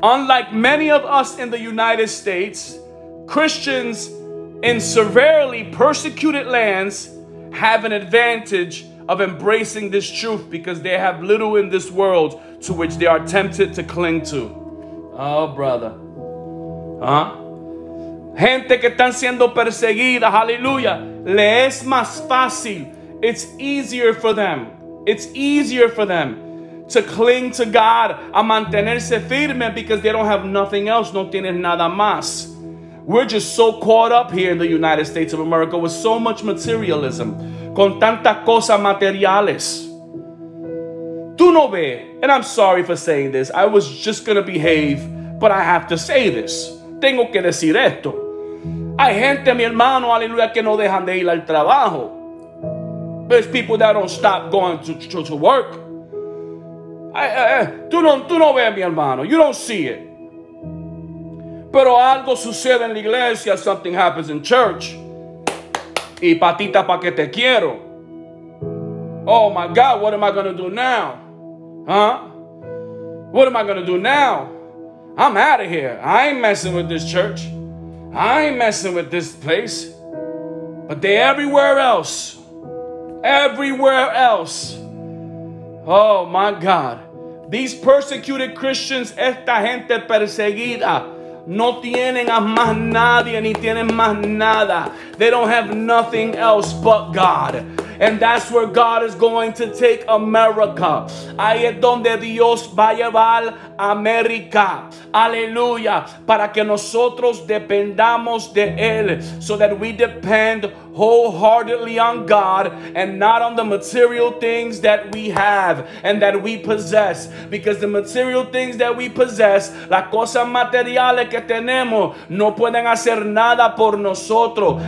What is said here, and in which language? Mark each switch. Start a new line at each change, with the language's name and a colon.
English: Unlike many of us in the United States, Christians in severely persecuted lands have an advantage of embracing this truth because they have little in this world to which they are tempted to cling to. Oh, brother. Huh?
Spanish: Gente que están siendo perseguida, hallelujah, le es más fácil.
English: It's easier for them. It's easier for them to cling to God,
Spanish: a mantenerse firme,
English: because they don't have nothing else.
Spanish: No tienen nada más.
English: We're just so caught up here in the United States of America with so much materialism,
Spanish: con tantas cosas materiales. Tú no ves,
English: and I'm sorry for saying this, I was just going to behave, but I have to say this.
Spanish: Tengo que decir esto. Hay gente, mi hermano, aleluya, que no dejan de ir al trabajo.
English: There's people that don't stop going to work.
Spanish: Tú no ves, mi hermano.
English: You don't see it.
Spanish: Pero algo sucede en la iglesia.
English: Something happens in church.
Spanish: Y patita pa' que te quiero.
English: Oh, my God. What am I going to do now? Huh? What am I going to do now? I'm out of here. I ain't messing with this church. I ain't messing with this place. But they're everywhere else. Everywhere else. Oh, my God. These persecuted Christians,
Spanish: esta gente perseguida, no tienen a más nadie ni tienen más nada.
English: They don't have nothing else but God. And that's where God is going to take America.
Spanish: Ahí es donde Dios va a llevar América. Aleluya. Para que nosotros dependamos de Él.
English: So that we depend wholeheartedly on God and not on the material things that we have and that we possess. Because the material things that we possess,
Spanish: las cosas materiales que tenemos, no pueden hacer nada por nosotros.